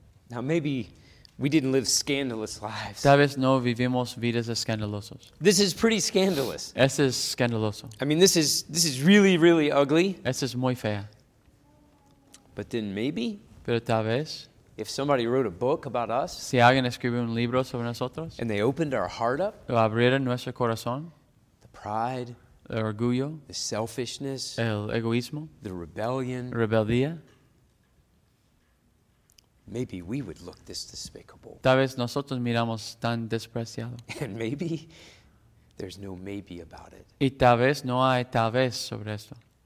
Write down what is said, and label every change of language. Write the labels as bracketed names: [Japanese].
[English] Now maybe we didn't live scandalous lives. [Spanish] Tal vez no vivimos vidas escandalosas. [English] This is pretty scandalous. [Spanish] Este es escandaloso. [English] I mean, this is really, really ugly. [Spanish] Este es muy fea. [English] But then maybe. [Spanish] Pero tal vez. [English] If somebody wrote a book about us. [Spanish] Si alguien escribió un libro sobre nosotros. [English] And they opened our heart up. [Spanish] Lo abrieron nuestro corazón. [English] The pride. [Spanish] El orgullo. [English] The selfishness. [Spanish] El egoísmo. [English] The rebellion. [Spanish] Rebeldía. [English] Maybe we would look this despicable. [Spanish] Tal vez nosotros miramos tan despreciado. [English] And maybe there's no maybe about it. [Spanish] Y tal vez no hay tal vez sobre esto.